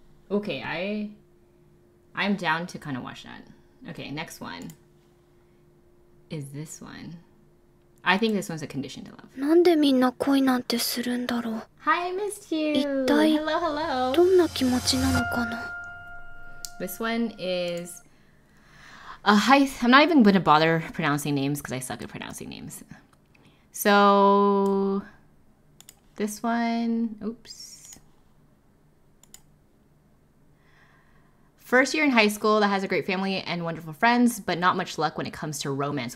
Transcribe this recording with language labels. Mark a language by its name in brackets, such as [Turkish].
[English] Okay, I'm down to kind of watch that. Okay, next one is this one. I think this one's a condition to love. [Japanese] なんでみんな恋なんてするんだろう? [English] Hi, I missed you! Hello, hello! [Japanese] どんな気持ちなのかな? [English] This one is... A heist. I'm not even going to bother pronouncing names because I suck at pronouncing names. So... This one... Oops. First year in high school that has a great family and wonderful friends, but not much luck when it comes to romance.